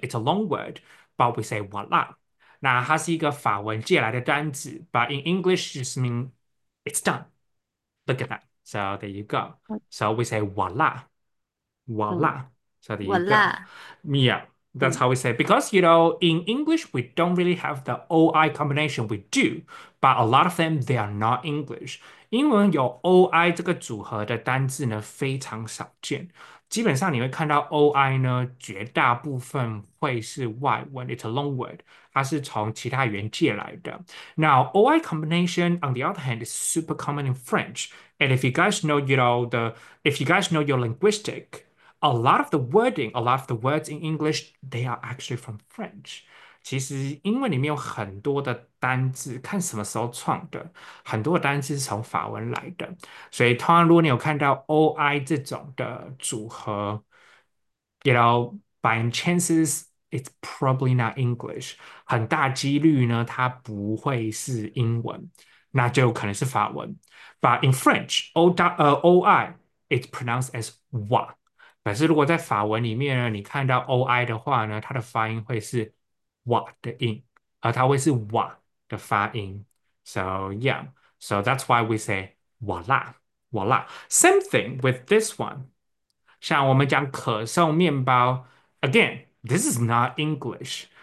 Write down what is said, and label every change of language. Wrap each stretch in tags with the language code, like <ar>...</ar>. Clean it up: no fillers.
<en>It's a long word, but we say voila.</en> <zh>那它是一个法文借来的单词，</zh> <en>but in English, it just mean it's done. Look at that. So there you go. So we say voila, voila. So there you go. Voila. Yeah, that's how we say it. Because, in English, we don't really have the OI combination. We do, but a lot of them, they are not English.</en> <zh>英文有 OI 这个组合的单字呢，非常少见。基本上你会看到 OI 呢，绝大部分会是外文，</zh> <en>it's a long word，</en> <zh>它是从其他语言借来的。</zh> <en>Now OI combination on the other hand is super common in French. And if you guys know, if you guys know your linguistic, a lot of the words in English, they are actually from French.</en> <zh>其实英文里面有很多的单字，看什么时候创的，很多的单字是从法文来的。所以，通常如果你有看到 OI 这种的组合，</zh> <en>by chances it's probably not English，</en> <zh>很大几率呢，它不会是英文，那就可能是法文。</zh> <en>But in French，OI it's pronounced as wa。</en> <zh>可是，如果在法文里面呢，你看到 OI 的话呢，它的发音会是哇的音，而它会是哇的发音。</zh> <en>So yeah, so that's why we say voila, voila. Same thing with this one.</en> <zh>像我们讲可颂面包，</zh> <en>again, this is not English.</en>